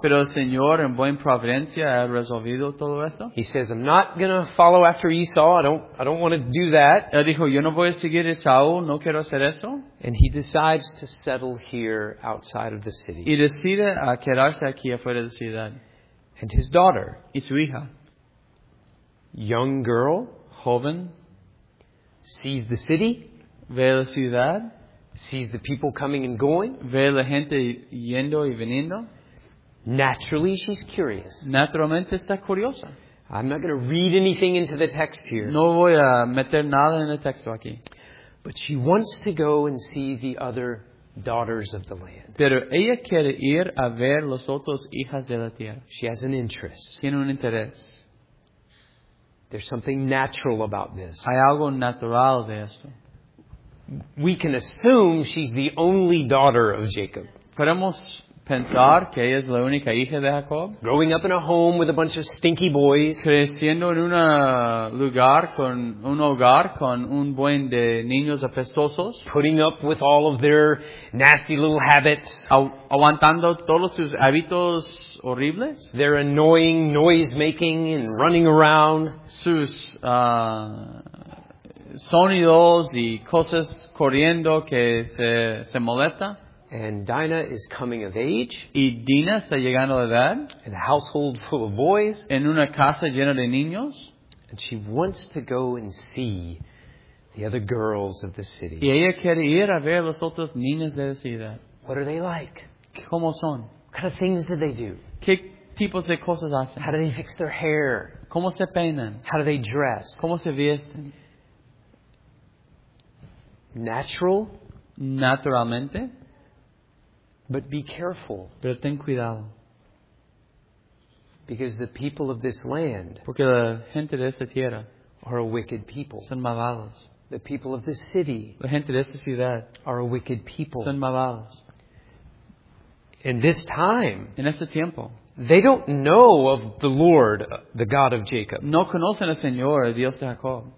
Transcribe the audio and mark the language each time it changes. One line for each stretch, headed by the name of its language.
Spanish: Pero el Señor, en buena providencia, ha resolvido todo esto.
English: He says, "I'm not going to follow after Esau. I don't want to do that."
Spanish: Él dijo, "Yo no voy a seguir a Esau. No quiero hacer eso."
English: And he decides to settle here outside of the city.
Spanish: Y decide a quedarse aquí afuera de la ciudad.
English: And his daughter,
Spanish: y su hija,
English: young girl,
Spanish: joven,
English: sees the city.
Spanish: Ve la ciudad.
English: Sees the people coming and going.
Spanish: Ve la gente yendo y viniendo.
English: Naturally, she's curious.
Spanish: Naturalmente está curiosa.
English: I'm not going to read anything into the text here.
Spanish: No voy a meter nada en el texto aquí.
English: But she wants to go and see the other daughters of the land.
Spanish: Pero ella quiere ir a ver los otros hijas de la tierra.
English: She has an interest.
Spanish: Tiene un interés.
English: There's something natural about this.
Spanish: Hay algo natural de esto.
English: We can assume she's the only daughter of Jacob.
Spanish: Podemos pensar que ella es la única hija de Jacob.
English: Growing up in a home with a bunch of stinky boys.
Spanish: Creciendo en un hogar con un buen de niños apestosos.
English: Putting up with all of their nasty little habits.
Spanish: Aguantando todos sus hábitos horribles.
English: Their annoying noise making and running around.
Spanish: Sus sonidos y cosas corriendo que se molesta.
English: And Dinah is coming of age.
Spanish: Y Dina está llegando a la edad.
English: In a household full of boys.
Spanish: En una casa llena de niños.
English: And she wants to go and see the other girls of the city.
Spanish: Y ella quiere ir a ver las otras niñas de la ciudad.
English: What are they like?
Spanish: ¿Cómo son?
English: What kind of things do they do?
Spanish: ¿Qué tipos de cosas hacen?
English: How do they fix their hair?
Spanish: ¿Cómo se peinan?
English: How do they dress?
Spanish: ¿Cómo se visten?
English: Natural.
Spanish: Naturalmente.
English: But be careful.
Spanish: Pero ten cuidado.
English: Because the people of this land.
Spanish: Porque la gente de esta tierra.
English: Are a wicked people.
Spanish: Son malvados.
English: The people of this city.
Spanish: La gente de esta ciudad.
English: Are a wicked people.
Spanish: Son malvados.
English: In this time.
Spanish: En este tiempo.
English: They don't know of the Lord, the God of Jacob.
Spanish: No conocen al Señor, el Dios de Jacob.